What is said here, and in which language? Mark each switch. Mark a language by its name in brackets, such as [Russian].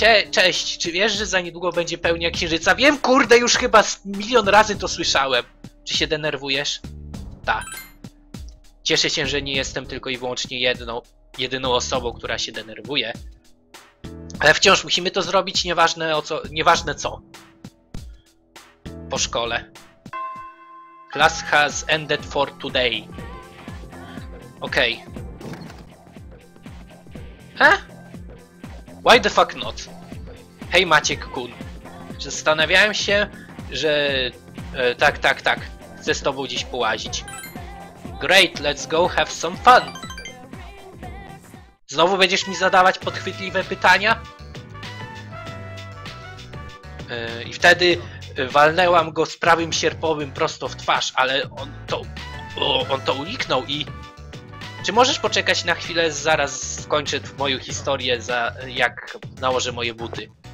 [Polish] Cześć, czy wiesz, że za niedługo będzie pełnia księżyca? Wiem, kurde, już chyba milion razy to słyszałem. Czy się denerwujesz? Tak. Cieszę się, że nie jestem tylko i wyłącznie jedyną osobą, która się denerwuje. Ale wciąż musimy to zrobić, nieważne o co, nieważne co. Po szkole. [English] Class has ended for today. [Polish] Okej. [English] Okay. Why the fuck not? Hej, Maciek-kun. [Polish] Zastanawiałem się, że... Tak. Chcę z tobą dziś połazić. [English] Great, let's go have some fun! [Polish] Znowu będziesz mi zadawać podchwytliwe pytania? I wtedy walnęłam go z prawym sierpowym prosto w twarz, ale on to... O, on to uniknął i... Czy możesz poczekać na chwilę, zaraz skończę moją historię, za jak nałożę moje buty?